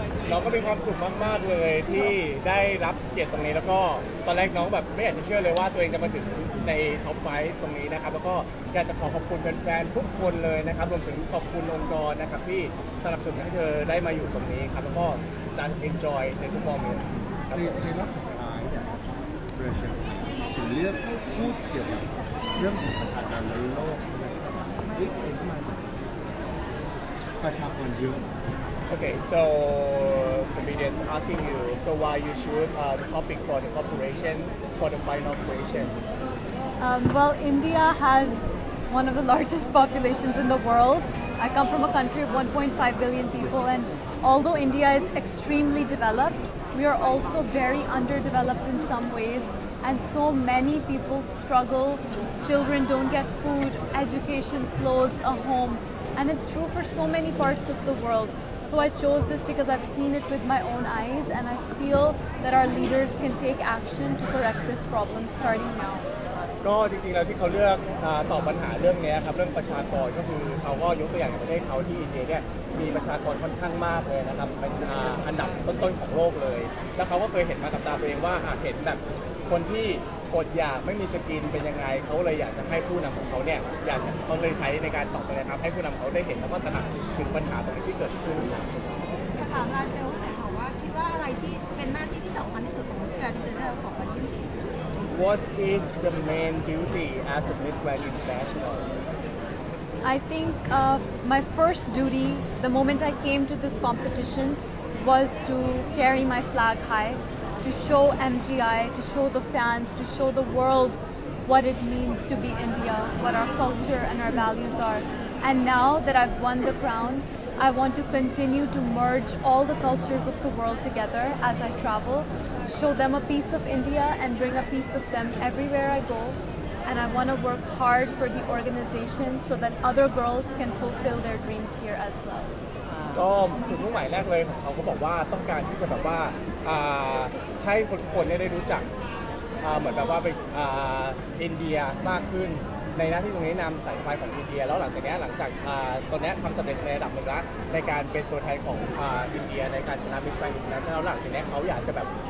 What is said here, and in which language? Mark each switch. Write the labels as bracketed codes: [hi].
[th] น้องก็มีความสุขมากๆเลยที่ได้รับเกียรติตรงนี้แล้วก็ตอนแรกน้องแบบไม่อยากจะเชื่อเลยว่าตัวเองจะมาถึงในท็อปไฟต์ตรงนี้นะครับแล้วก็อยากจะขอขอบคุณแฟนๆทุกคนเลยนะครับรวมถึงขอบคุณองค์กรนะครับที่สนับสนุนให้เธอได้มาอยู่ตรงนี้ครับแล้วก็จานเอ็นจอยในทุกโมเมนต์ครับจริงๆแล้วสุดท้ายเนี่ยถึงเรื่องพูดเกี่ยวกับเรื่องของประชากรในโลกนี่เองมาจากประชากรเยอะ [en] Okay, so the media is asking you, so why you choose the topic for the cooperation, for the final cooperation? Well, India has one of the largest populations in the world. I come from a country of 1.5 billion people, and although India is extremely developed, we are also very underdeveloped in some ways, and so many people struggle. Children don't get food, education, clothes, a home, and it's true for so many parts of the world. So I chose this because I've seen it with my own eyes, and I feel that our leaders can take action to correct this problem starting now. [th] ก็จริงๆแล้วที่เขาเลือกตอบปัญหาเรื่องนี้ครับเรื่องประชากรก็คือเขาก็ยกตัวอย่างประเทศเขาที่อินเดียเนี่ยมีประชากรค่อนข้างมากเลยนะครับเป็นอันดับต้นๆของโลกเลยแล้วเขาก็เคยเห็นมากับตาเองว่าเห็นแบบคนที่อดอยากไม่มีจะกินเป็นยังไงเขาเลยอยากจะให้ผู้นำของเขาเนี่ยอยากจะเขาเลยใช้ในการตอบไปเลยครับให้ผู้นำเขาได้เห็นแล้วก็ตระหนักถึงปัญหาตรงนี้ที่เกิดขึ้น ถามราเชล ค่ะ ว่าคิดว่าอะไรที่เป็นหน้าที่ที่สำคัญที่สุดของผู้การที่จะได้ของวันนี้ [en] What is the main duty as a Miss Grand International? I think my first duty, the moment I came to this competition, was to carry my flag high, to show MGI, to show the fans, to show the world what it means to be India, what our culture and our values are. And now that I've won the crown, I want to continue to merge all the cultures of the world together as I travel. Show them a piece of India and bring a piece of them everywhere I go. And I want to work hard for the organization so that other girls can fulfill their dreams here as well. [th] ก็จุดมุ่งหมายแรกเลยของเขาก็บอกว่าต้องการที่จะแบบว่าให้คนๆได้รู้จักเหมือนแบบว่าไปอินเดียมากขึ้นในหน้าที่ตรงนี้นำสายไฟของอินเดียแล้วหลังจากนี้หลังจากตอนนี้ความสำเร็จในระดับหนึ่งแล้วในการเป็นตัวแทนของอินเดียในการชนะมิสแกรนด์อินเตอร์เนชั่นแนลหลังจากนี้เขาอยากจะแบบ